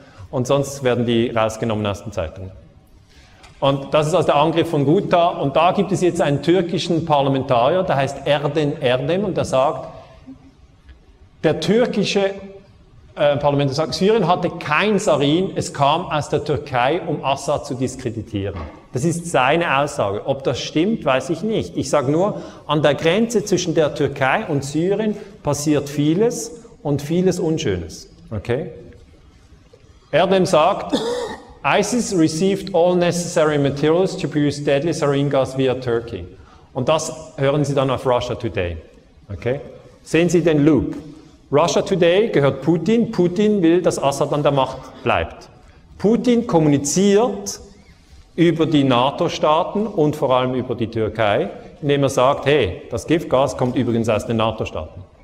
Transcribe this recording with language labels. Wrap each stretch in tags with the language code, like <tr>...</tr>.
<de>Und sonst werden die rausgenommen aus den Zeitungen. Und das ist also der Angriff von Ghouta und da gibt es jetzt einen türkischen Parlamentarier, der heißt Erden Erdem und der sagt, der türkische Parlamentarier sagt, Syrien hatte kein Sarin, es kam aus der Türkei, um Assad zu diskreditieren. Das ist seine Aussage. Ob das stimmt, weiß ich nicht. Ich sage nur, an der Grenze zwischen der Türkei und Syrien passiert vieles und vieles Unschönes. Okay? Erdem sagt,</de> <en>ISIS received all necessary materials to produce deadly sarin gas via Turkey.</en> <de>Und das hören Sie dann auf Russia Today. Okay? Sehen Sie den Loop. Russia Today gehört Putin. Putin will, dass Assad an der Macht bleibt. Putin kommuniziert über die NATO-Staaten und vor allem über die Türkei, indem er sagt, hey, das Giftgas kommt übrigens aus den NATO-Staaten.</de>